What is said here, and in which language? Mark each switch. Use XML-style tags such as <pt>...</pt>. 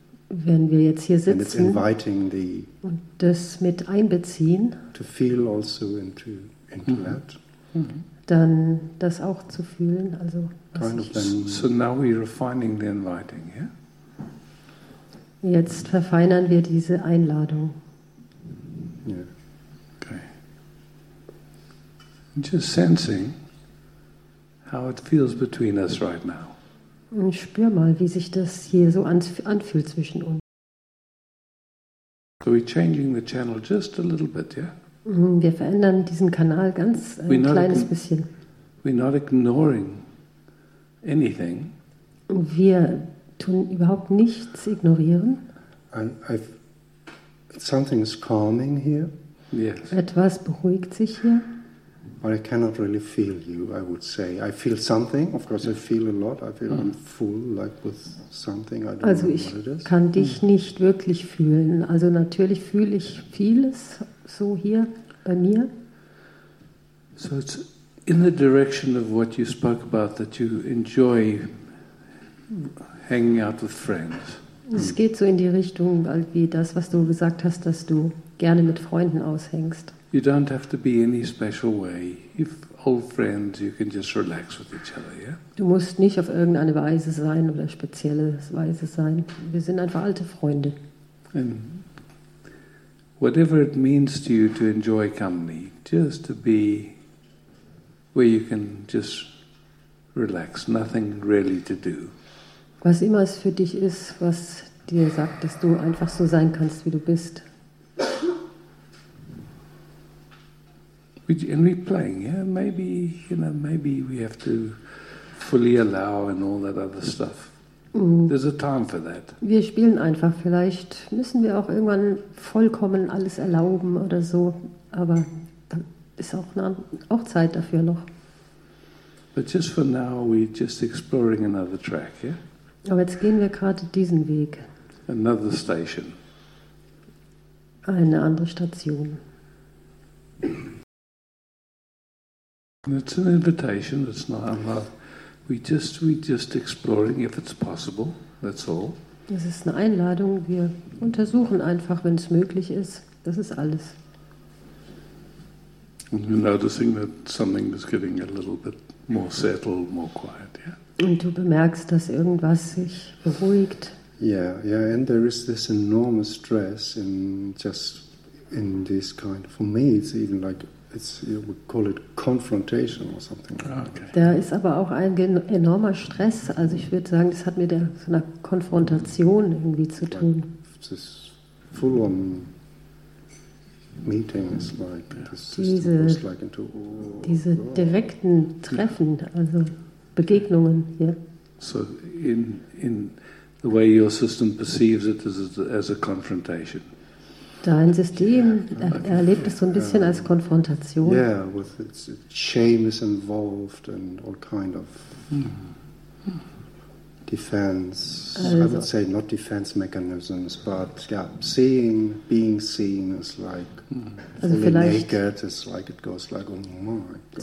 <de>Wenn wir jetzt hier sitzen</de> <en>and it's inviting the,</en> <de>und das mit einbeziehen,</de> <en>to feel also into mm-hmm. that, mm-hmm.</en> <de>dann das auch zu fühlen, also</de> <en>kind of then, so now we're refining the inviting, yeah?</en> <de>Jetzt verfeinern wir diese Einladung.</de> <en>Yeah. Okay. Just sensing how it feels between us right now.</en> <de>Und spür mal, wie sich das hier so anfühlt zwischen uns.</de> <en>So we're changing the channel just a little bit, yeah?</en> <de>Wir verändern diesen Kanal ganz ein kleines bisschen.</de> <en>We're not ignoring anything.</en> <de>Wir tun überhaupt nichts ignorieren.</de> <en>Something is calming here. Yes.</en> <de>Etwas beruhigt sich hier.</de> <en>But I cannot really feel you, I would say. I feel something, of course I feel a lot. I feel I'm full, like with something. I don't</en> <de>also ich</de> <en>know what it is.</en> <de>Kann dich nicht wirklich fühlen. Also natürlich fühle ich vieles so hier bei mir.</de> <en>So it's in the direction of what you spoke about, that you enjoy hanging out with friends.</en> <de>Es geht so in die Richtung, wie das, was du gesagt hast, dass du gerne mit Freunden aushängst.</de> <en>You don't have to be in any special way. If old friends, you can just relax with each other, yeah?</en> <de>Du musst nicht auf irgendeine Weise sein oder spezielle Weise sein. Wir sind einfach alte Freunde.</de> <en>And whatever it means to you to enjoy company, just to be where you can just relax, nothing really to do.</en> <de>Was immer es für dich ist, was dir sagt, dass du einfach so sein kannst, wie du bist.</de> <en>And we're playing, yeah? Maybe, you know, maybe we have to fully allow and all that other stuff. There's a time for that.</en> <de>Wir spielen einfach. Vielleicht müssen wir auch irgendwann vollkommen alles erlauben oder so. Aber dann ist auch Zeit dafür noch.</de> <en>But just for now, we're just exploring another track, yeah?</en> <de>Aber jetzt gehen wir gerade diesen Weg.</de> <en>Another station.</en> <de>Eine andere Station.</de> <en>It's an invitation. It's not. We just exploring if it's possible. That's all.</en> <de>Das ist eine Einladung. Wir untersuchen einfach, wenn es möglich ist. Das ist alles.</de> <en>And you're noticing that something is getting a little bit more settled, more quiet. Yeah.</en> <de>Und du bemerkst, dass irgendwas sich beruhigt.</de> <en>Yeah. And there is this enormous stress in this kind. For me, it's even like. You would call it confrontation or something. Okay.</en> <de>Da ist aber auch ein enormer Stress. Also ich würde sagen, das hat mit der so einer Konfrontation irgendwie zu tun.</de> <en>This full-on meeting is like this.</en> <de>Diese direkten Treffen, also Begegnungen hier.</de> <en>So in the way your system perceives it as a confrontation.</en> <de>Dein System erlebt es so ein bisschen als Konfrontation.</de> <en>Yeah, with its shame is involved and all kind of defense.</en> <de>Also,</de> <en>I would say not defense mechanisms, but yeah, seeing, being seen is like</en> <de>also</de> <en>fully naked. It's like it goes like oh my God.</en>